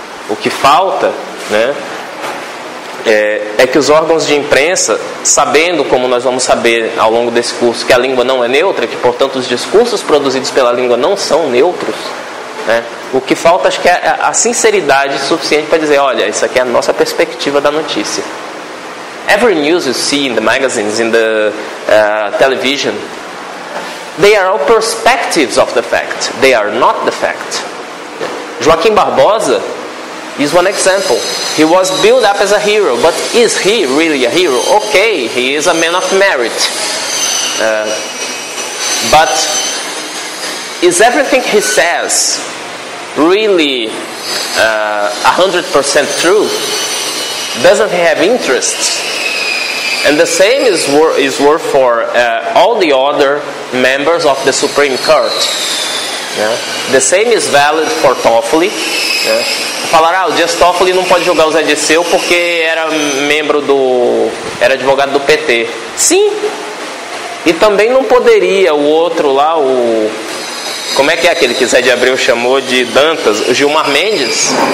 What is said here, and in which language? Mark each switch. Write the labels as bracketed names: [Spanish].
[Portuguese] O que falta, né? É que os órgãos de imprensa, sabendo, como nós vamos saber ao longo desse curso, que a língua não é neutra, que, portanto, os discursos produzidos pela língua não são neutros, né? O que falta, acho que é a sinceridade suficiente para dizer, olha, isso aqui é a nossa perspectiva da notícia. [English] Every news you see in the magazines, in the television, they are all perspectives of the fact. They are not the fact. Joaquim Barbosa is one example. He was built up as a hero, but is he really a hero? Okay, he is a man of merit. But is everything he says really 100% true? Doesn't he have interests? And the same is worth for all the other members of the Supreme Court. The same is valid for Toffoli. [Portuguese] Falaram, o Dias Toffoli não pode julgar o Zé Dirceu porque era membro do... era advogado do PT. Sim! E também não poderia o outro lá, o... como é que é aquele que Zé de Abreu chamou de Dantas? O Gilmar Mendes?